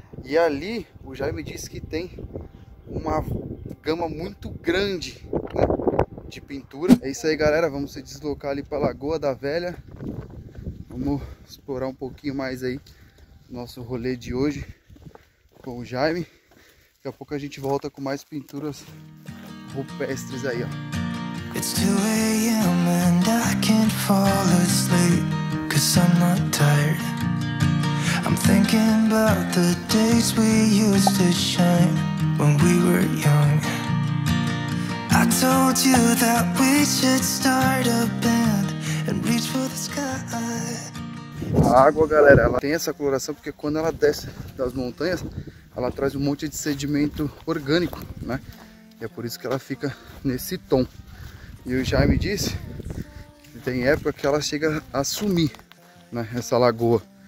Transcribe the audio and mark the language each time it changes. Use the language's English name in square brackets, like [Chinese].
[Portuguese] E ali, o Jaime disse que tem uma gama muito grande, né, de pintura. É isso aí, galera. Vamos se deslocar ali para a Lagoa da Velha. Vamos explorar um pouquinho mais aí nosso rolê de hoje com o Jaime. Daqui a pouco a gente volta com mais pinturas rupestres aí, ó. [English] It's 2 a.m. and I can't fall asleep, 'cause I'm not tired. I'm thinking about the days we used to shine when we were young. I told you that we should start a band and reach for the sky. [Portuguese] A água, galera, ela tem essa coloração porque quando ela desce das montanhas, ela traz um monte de sedimento orgânico, né? E é por isso que ela fica nesse tom. E o Jaime disse que tem época que ela chega a sumir, né, essa lagoa.